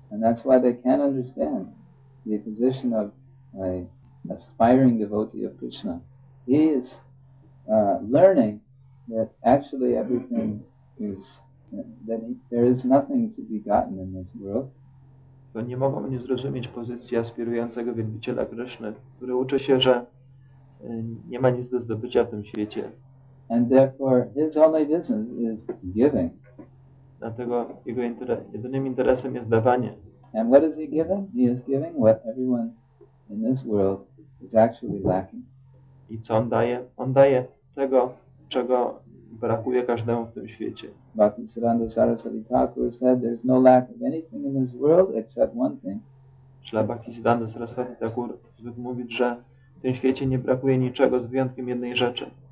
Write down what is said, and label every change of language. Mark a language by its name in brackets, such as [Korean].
[English] And that's why they can't understand the position of an aspiring devotee of Krishna. He is learning that actually everything is, that there is nothing to be gotten in this world. [Polish] To nie mogą nie zrozumieć pozycji aspirującego wielbiciela Kryszny, który uczy się, że nie ma nic do zdobycia w tym świecie. [English] And therefore his only business is giving. [Polish] Dlatego jego jedynym interesem jest dawanie. [English] And what is he giving? He is giving what everyone in this world is actually lacking. [Polish] I co on daje? On daje tego, czego brakuje każdemu w tym świecie. [English] Bhaktisiddhanta Sarasvati Thakur said there's no lack of anything in this world except one thing. [Polish] Śla Bhaktisiddhanta Sarasvati Thakur zwykł mówić, że w tym świecie nie brakuje niczego z wyjątkiem jednej rzeczy.